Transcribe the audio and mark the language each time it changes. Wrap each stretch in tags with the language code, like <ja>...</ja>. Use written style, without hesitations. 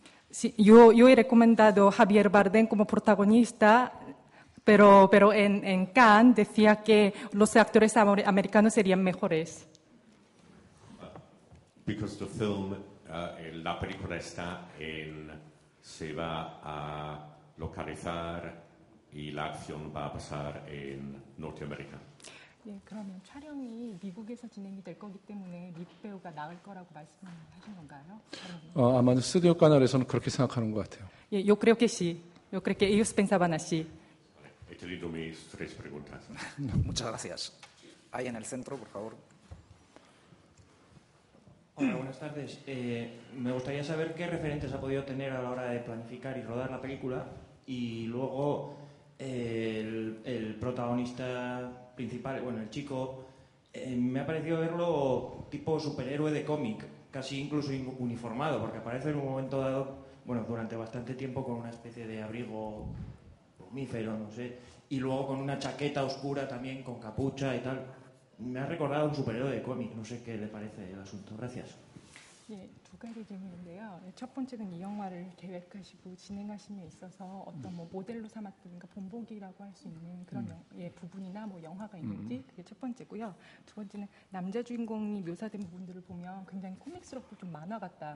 <es>Sí, yo he recomendado Javier Bardem como protagonista, pero en Cannes decía que los actores americanos serían mejores.</es> <en>Because the film,</en> <es>la película está en, se va a localizar. Y la acción va a pasar en Norteamérica.</es> <ko>예, 그러면 촬영이 미국에서 진행이 될 거기 때문에 미국 배우가 나을 거라고 말씀하신 건가요? 아마 스튜디오 까날에서는 그렇게 생각하는 것 같아요.</ko> <es>예, yo creo que sí. Yo creo que ellos pensaban así. He tenido mis tres preguntas. Muchas gracias. Ahí en el centro, por favor. Hola, buenas tardes. Me gustaría saber qué referentes ha podido tener a la hora de planificar y rodar la película y luego el protagonista principal, bueno, el chico, me ha parecido verlo tipo superhéroe de cómic, casi incluso uniformado, porque aparece en un momento dado, bueno, durante bastante tiempo con una especie de abrigo plumífero, no sé, y luego con una chaqueta oscura también, con capucha y tal. Me ha recordado un superhéroe de cómic, no sé qué le parece el asunto. Gracias.</es> <ko>Yeah. 두 가지 질문인데요. 첫 번째는 이 영화를 계획하시고 진행하시며 있어서 어떤 뭐 모델로 삼았던가 본보기라고 할 수 있는 그런 예, 부분이나 뭐 영화가 있는지 그게 첫 번째고요. 두 번째는 남자 주인공이 묘사된 부분들을 보면 굉장히 코믹스럽고 좀 만화 같다.</ko>